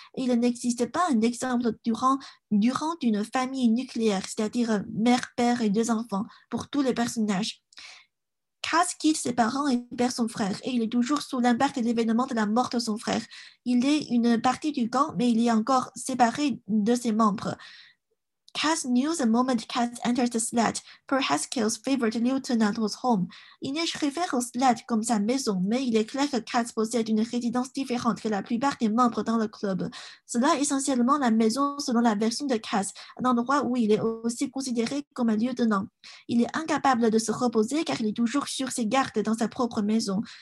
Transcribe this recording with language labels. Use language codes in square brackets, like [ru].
[fr] Il n'existe pas un exemple durant une famille nucléaire, c'est-à-dire mère, père et deux enfants, pour tous les personnages. Cass quitte ses parents et perd son frère, et il est toujours sous l'impact de l'événement de la mort de son frère. Il est une partie du camp, mais il est encore séparé de ses membres. [en] Cass knew the moment Cass entered the SLAT, per Haskell's favorite lieutenant was home. [fr] Inej réfère au SLAT comme sa maison, mais il est clair que Cass possède une résidence différente que la plupart des membres dans le club. Cela est essentiellement la maison selon la version de Cass, un endroit où il est aussi considéré comme un lieutenant. Il est incapable de se reposer car il est toujours sur ses gardes dans sa propre maison.